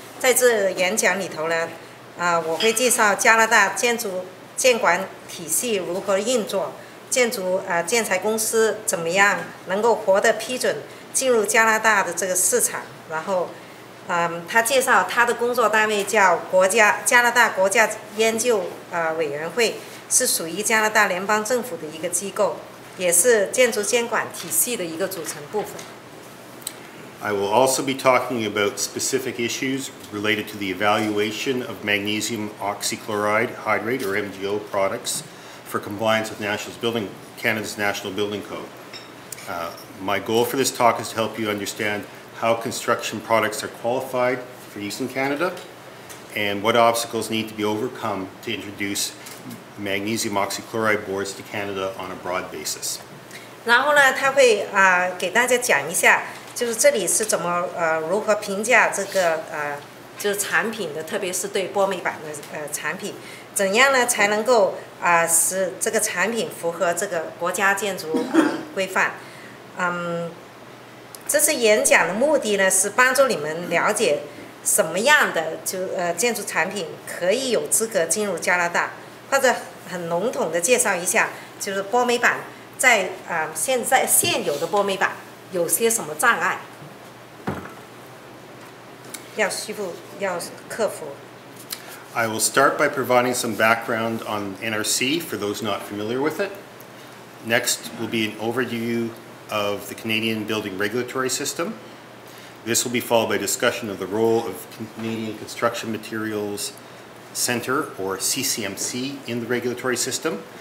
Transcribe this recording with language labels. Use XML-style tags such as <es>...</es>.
<zh>在这演讲里头呢，我会介绍加拿大建筑监管体系如何运作，建筑建材公司怎么样能够获得批准进入加拿大的这个市场。然后，他介绍他的工作单位叫加拿大国家研究委员会，是属于加拿大联邦政府的一个机构，也是建筑监管体系的一个组成部分。</zh> <en>I will also be talking about specific issues related to the evaluation of magnesium oxychloride hydrate or MGO products for compliance with Canada's National Building Code. My goal for this talk is to help you understand how construction products are qualified for use in Canada and what obstacles need to be overcome to introduce magnesium oxychloride boards to Canada on a broad basis.</en> <zh>然后呢，他会给大家讲一下，就是这里是怎么如何评价这个就是产品的，特别是对玻美板的产品，怎样呢才能够使这个产品符合这个国家建筑规范。这次演讲的目的呢，是帮助你们了解什么样的建筑产品可以有资格进入加拿大，或者很笼统的介绍一下，就是玻美板在现有的玻美板有些什么障碍要克服。</zh> <en>I will start by providing some background on NRC for those not familiar with it. Next will be an overview of the Canadian building regulatory system. This will be followed by discussion of the role of Canadian Construction Materials Centre, or CCMC, in the regulatory system.</en>